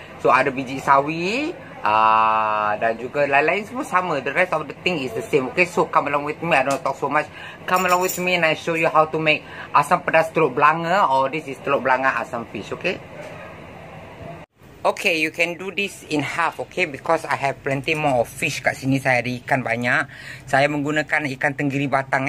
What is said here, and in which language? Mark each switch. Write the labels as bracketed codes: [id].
[ms] So ada biji sawi dan juga lain-lain semua sama. [en] The rest of the thing is the same. Okay, so come along with me. I don't talk so much. Come along with me and I show you how to make asam pedas teluk belanga, or this is teluk belanga asam fish. Okay. Okay, you can do this in half. Okay, because I have plenty more of fish [ms] kat sini. Saya ada ikan banyak. Saya menggunakan ikan tenggiri batang.